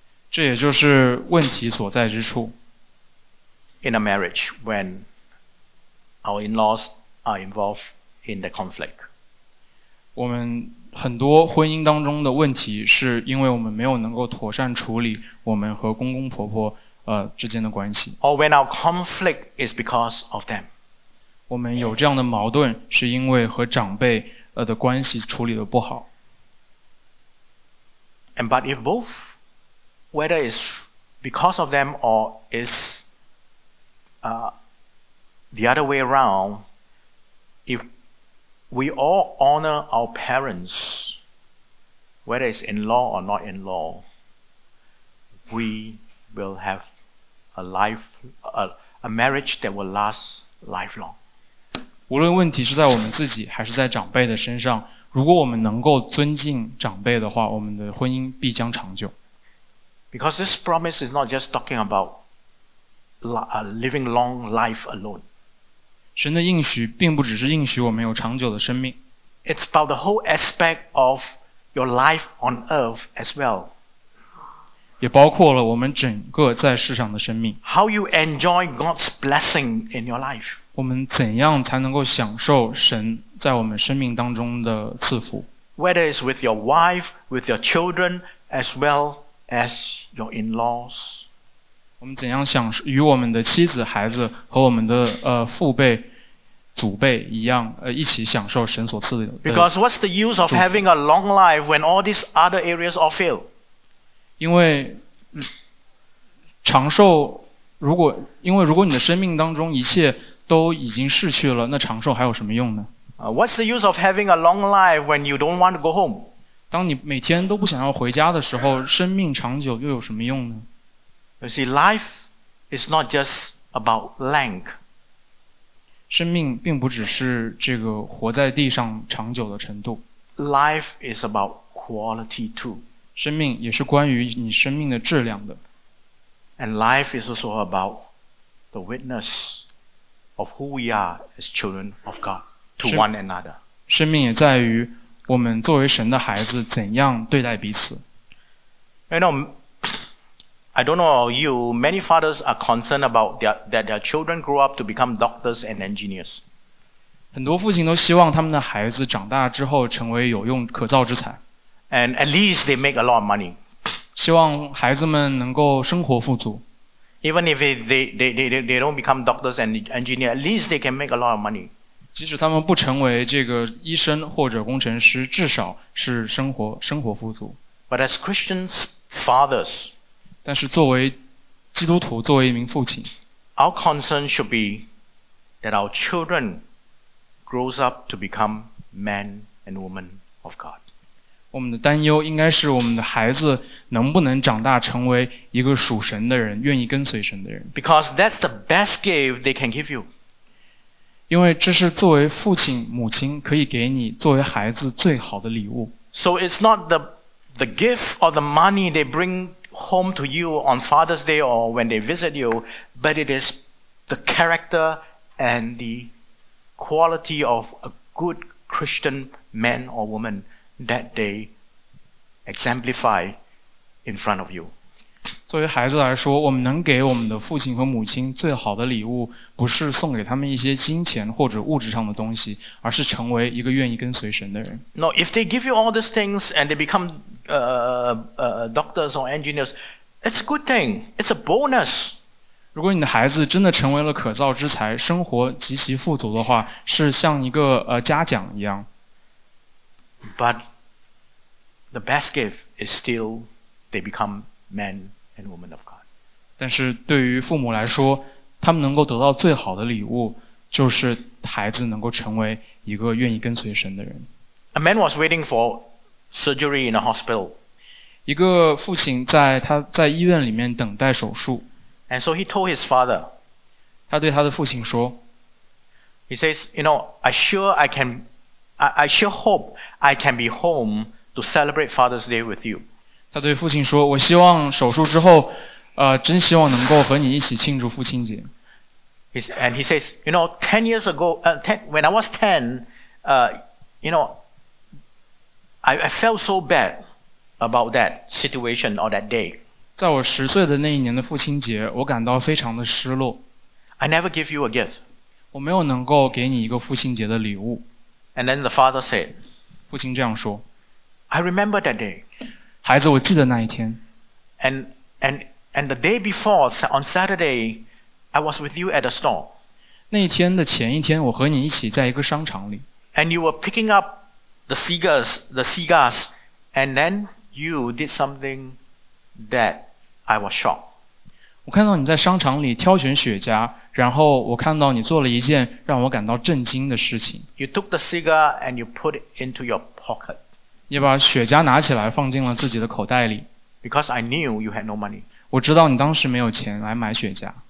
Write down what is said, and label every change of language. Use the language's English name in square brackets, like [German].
[Chinese] 这也就是问题所在之处。 [English] In a marriage, when our in-laws are involved in the conflict. [Chinese] 我们很多婚姻当中的问题是因为我们没有能够妥善处理我们和公公婆婆之间的关系。 [English] Or when our conflict is because of them. [Chinese] 我们有这样的矛盾是因为和长辈的关系处理得不好。 [English] And but if both, whether it's because of them or it's the other way around, if we all honor our parents, whether it's in-law or not in-law, we will have a marriage that will last lifelong. [Chinese] 无论问题是在我们自己还是在长辈的身上，如果我们能够尊敬长辈的话，我们的婚姻必将长久。 [English] Because this promise is not just talking about living long life alone. [Chinese] 神的应许并不只是应许我们有长久的生命。 [English] It's about the whole aspect of your life on earth as well. [Chinese] 也包括了我们整个在世上的生命。 [English] How you enjoy God's blessing in your life. [Chinese] 我们怎样才能够享受神在我们生命当中的赐福。 [English] Whether it's with your wife, with your children, as well as your in-laws. [Chinese] 我们怎样享受与我们的妻子、孩子和我们的父辈、祖辈一样一起享受神所赐的祝福。 [English] Because what's the use of having a long life when all these other areas all fail? [Chinese] 因为长寿，如果你的生命当中一切都已经逝去了，那长寿还有什么用呢？ [English] What's the use of having a long life when you don't want to go home? [Chinese] 当你每天都不想要回家的时候，生命长久又有什么用呢？ [English] You see, life is not just about length. [Chinese] 生命并不只是这个活在地上长久的程度。 [English] Life is about quality too. [Chinese] 生命也是关于你生命的质量的。 [English] And life is also about the witness of who we are as children of God. To one another. [Chinese] 生命也在于我们作为神的孩子怎样对待彼此。 [English] You know, I don't know you, many fathers are concerned about that their children grow up to become doctors and engineers. [Chinese] 很多父亲都希望他们的孩子长大之后成为有用可造之材。 [English] And at least they make a lot of money. [Chinese] 希望孩子们能够生活富足。 [English] Even if they don't become doctors and engineers, at least they can make a lot of money. [Chinese] 即使他们不成为这个医生或者工程师，至少是生活富足。 [English] But as Christians, fathers, [Chinese] 但是作为基督徒，作为一名父亲， [English] our concern should be that our children grows up to become men and women of God. [Chinese] 我们的担忧应该是我们的孩子能不能长大成为一个属神的人，愿意跟随神的人。 [English] Because that's the best gift they can give you. [Chinese] 因为这是作为父亲母亲可以给你作为孩子最好的礼物。 [English] So it's not the gift or the money they bring home to you on Father's Day or when they visit you, but it is the character and the quality of a good Christian man or woman that they exemplify in front of you. [Chinese] 作为孩子来说，我们能给我们的父亲和母亲最好的礼物，不是送给他们一些金钱或者物质上的东西，而是成为一个愿意跟随神的人。 [English] No, if they give you all these things and they become doctors or engineers, it's a good thing. It's a bonus. [Chinese] 如果你的孩子真的成为了可造之材，生活极其富足的话，是像一个嘉奖一样。 [English] But the best gift is still they become men. And woman of God. [Chinese] 但是对于父母来说，他们能够得到最好的礼物就是孩子能够成为一个愿意跟随神的人。 [English] A man was waiting for surgery in a hospital. [Chinese] 一个父亲在他在医院里面等待手术。 [English] And so he told his father. [Chinese] 他对他的父亲说。 [English] He says, you know, I sure hope I can be home to celebrate Father's Day with you. [Chinese] 他对父亲说，我希望手术之后，真希望能够和你一起庆祝父亲节。 [English] And he says, you know, when I was ten, I felt so bad about that situation or that day. [Chinese] 在我十岁的那一年的父亲节，我感到非常的失落。 [English] I never give you a gift. [Chinese] 我没有能够给你一个父亲节的礼物。 [English] And then the father said, [Chinese] 父亲这样说。 [English] I remember that day. [Chinese] 孩子，我记得那一天。 [English] And the day before, on Saturday,I was with you at a store. [Chinese] 那一天的前一天，我和你一起在一个商场里。 [English] And you were picking up the cigars, and then you did something that I was shocked. [Chinese] 我看到你在商场里挑选雪茄，然后我看到你做了一件让我感到震惊的事情。 [English] You took the cigar and you put it into your pocket. [Chinese] 你把雪茄拿起来放进了自己的口袋里。 [English] Because I knew you had no money. [Chinese] 我知道你当时没有钱来买雪茄。